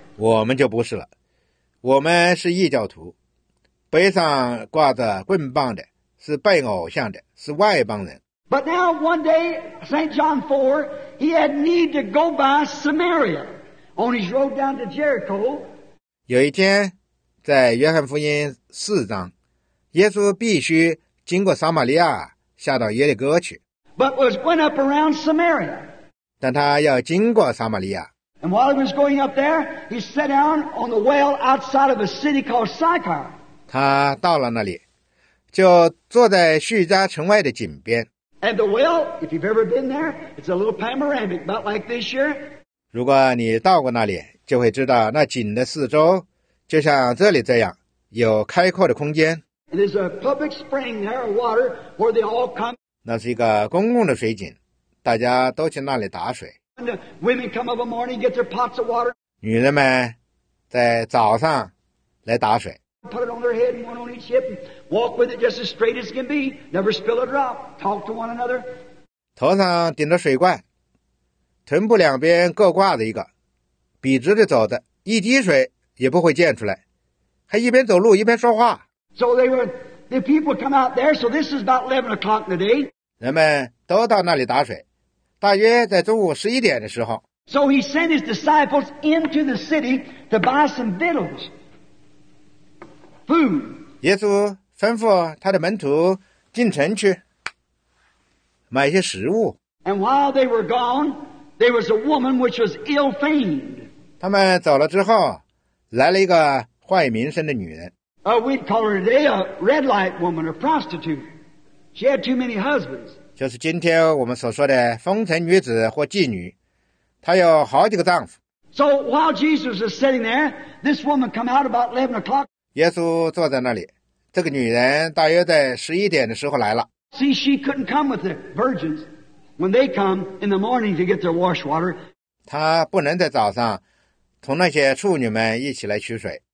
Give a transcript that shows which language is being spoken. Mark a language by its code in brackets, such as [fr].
[zh] 我们就不是了，我们是异教徒。背上挂着棍棒的是拜偶像的，是外邦人。 [en] But now one day, St. John 4, he had need to go by Samaria on his road down to Jericho. [zh] 有一天，在约翰福音四章，耶稣必须经过撒玛利亚下到耶利哥去。 [en] But was went up around Samaria. [zh] 但他要经过撒玛利亚。 [en] And while he was going up there, he sat down on the well outside of a city called Sychar. [zh] 他到了那里，就坐在叙加城外的井边。 [en] And the well, if you've ever been there, it's a little panoramic, about like this here. [zh] 如果你到过那里，就会知道那井的四周就像这里这样，有开阔的空间。 [en] And there's a public spring there, water, where they all come. [zh] 那是一个公共的水井，大家都去那里打水。 [en] And the women come up in the morning, get their pots of water. [zh] 女人们在早上来打水。 [en] Put it on their head, one on each hip, and walk with it just as straight as can be. Never spill a drop. Talk to one another. [zh] 头上顶着水罐，臀部两边各挂着一个，笔直的走着，一滴水也不会溅出来，还一边走路一边说话。 [en] So the people come out there. So this is about 11 o'clock in the day. [zh] 人们都到那里打水，大约在中午十一点的时候。 [en] So he sent his disciples into the city to buy some victuals. Food. [zh] 耶稣吩咐他的门徒进城去买一些食物。 [en] And while they were gone, there was a woman which was ill famed. [zh] 他们走了之后，来了一个坏名声的女人。 [en] We'd call her today a red light woman, a prostitute. She had too many husbands. [zh] 就是今天我们所说的风尘女子或妓女，她有好几个丈夫。 [en] So while Jesus was sitting there, this woman come out about 11 o'clock. [zh] 耶稣坐在那里，这个女人大约在十一点的时候来了。 [en] See, she couldn't come with the virgins when they come in the morning to get their wash water. [zh] 她不能在早上同那些处女们一起来取水。